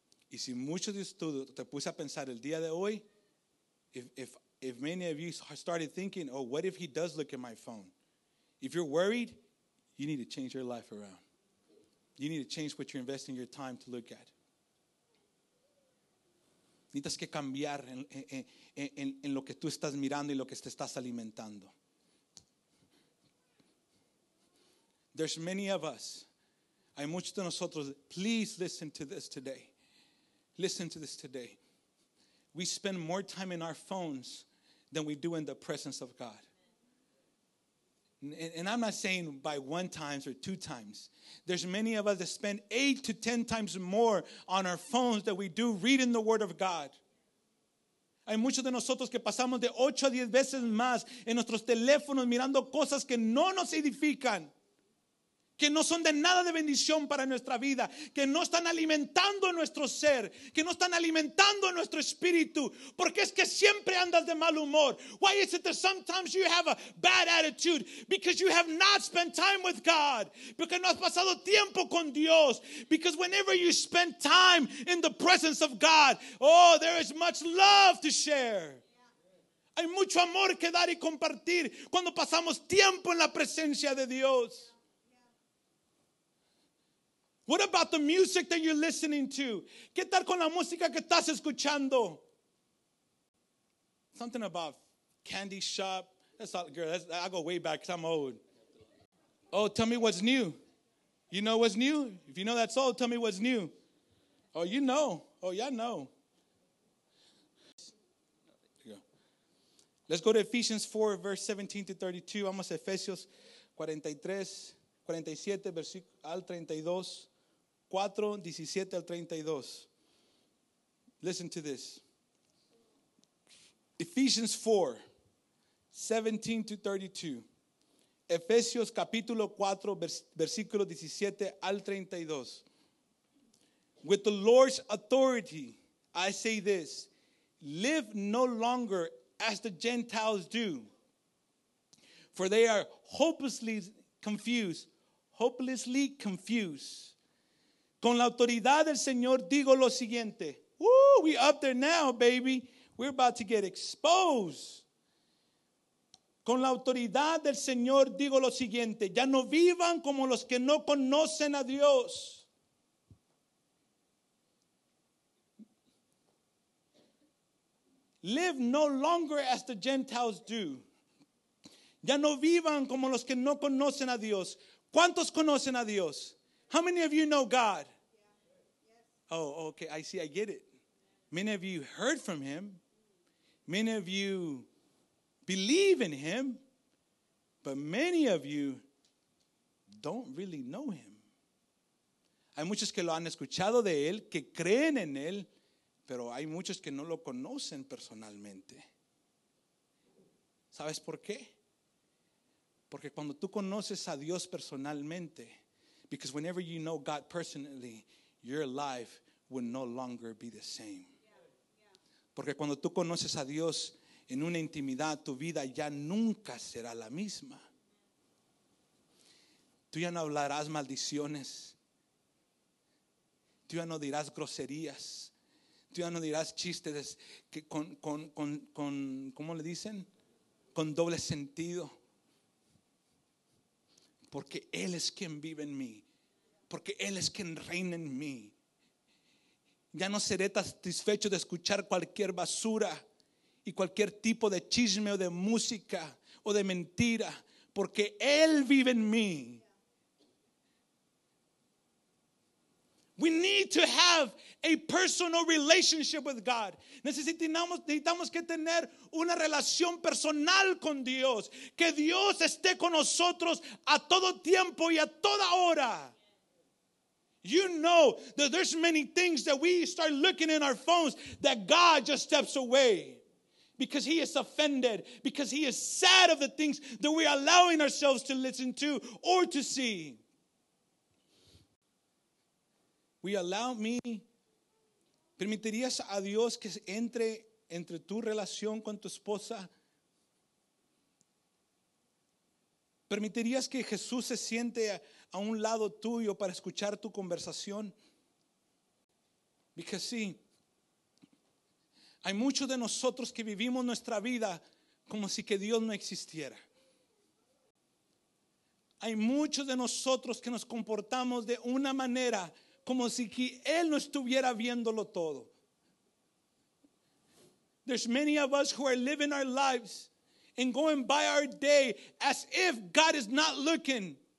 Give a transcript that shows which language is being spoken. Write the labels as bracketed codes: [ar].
[es] Y si muchos de ustedes te puse a pensar el día de hoy, [en] if many of you started thinking, oh, what if he does look at my phone? If you're worried, you need to change your life around. You need to change what you're investing your time to look at. [es] Necesitas que cambiar en lo que tú estás mirando y lo que te estás alimentando. [en] There's many of us. [es] Hay muchos de nosotros. [en] Please listen to this today. Listen to this today. We spend more time in our phones than we do in the presence of God. And I'm not saying by one times or two times. There's many of us that spend 8 to 10 times more on our phones than we do reading the Word of God. [es] Hay muchos de nosotros que pasamos de 8 a 10 veces más en nuestros teléfonos mirando cosas que no nos edifican, que no son de nada de bendición para nuestra vida, que no están alimentando nuestro ser, que no están alimentando nuestro espíritu, porque es que siempre andas de mal humor. [en] Why is it that sometimes you have a bad attitude? Because you have not spent time with God. [es] Porque no has pasado tiempo con Dios. [en] Because whenever you spend time in the presence of God, oh, there is much love to share. [es] Hay mucho amor que dar y compartir cuando pasamos tiempo en la presencia de Dios. [en] What about the music that you're listening to? [es] ¿Qué tal con la música que estás escuchando? [en] Something about candy shop. That's all, girl. I go way back because I'm old. Oh, tell me what's new. You know what's new? If you know that's old, tell me what's new. Oh, you know. Oh, y'all know. Let's go to Ephesians 4, verse 17 to 32. [es] Vamos a Efesios 47, versículo al 32. [en] 4, 17 al 32. Listen to this. Ephesians 4, 17 to 32. [es] Efesios capítulo 4, versículo 17 al 32. [en] With the Lord's authority, I say this. Live no longer as the Gentiles do, for they are hopelessly confused. [es] Con la autoridad del Señor digo lo siguiente. [en] Woo, we up there now, baby. We're about to get exposed. [es] Con la autoridad del Señor digo lo siguiente. Ya no vivan como los que no conocen a Dios. [en] Live no longer as the Gentiles do. [es] Ya no vivan como los que no conocen a Dios. ¿Cuántos conocen a Dios? [en] How many of you know God? Oh, okay, I see, I get it. Many of you heard from him. Many of you believe in him. But many of you don't really know him. [es] Hay muchos que lo han escuchado de él, que creen en él, pero hay muchos que no lo conocen personalmente. ¿Sabes por qué? Porque cuando tú conoces a Dios personalmente, [en] because whenever you know God personally, your life will no longer be the same. [es] Porque cuando tú conoces a Dios en una intimidad, tu vida ya nunca será la misma. Tú ya no hablarás maldiciones. Tú ya no dirás groserías. Tú ya no dirás chistes que con ¿cómo le dicen? Con doble sentido. Porque Él es quien vive en mí. Porque Él es quien reina en mí. Ya no seré satisfecho de escuchar cualquier basura y cualquier tipo de chisme o de música o de mentira, porque Él vive en mí. [en] We need to have a personal relationship with God. [es] Necesitamos que tener una relación personal con Dios. Que Dios esté con nosotros a todo tiempo y a toda hora. [en] You know that there's many things that we start looking in our phones that God just steps away because he is offended, because he is sad of the things that we are allowing ourselves to listen to or to see. We allow me. [es] ¿Permitirías a Dios que entre entre tu relación con tu esposa? ¿Permitirías que Jesús se siente a un lado tuyo para escuchar tu conversación? [en] Because see, [es] hay muchos de nosotros que vivimos nuestra vida como si que Dios no existiera. Hay muchos de nosotros que nos comportamos de una manera como si que Él no estuviera viéndolo todo. [en] There's many of us who are living our lives and going by our day as if God is not looking.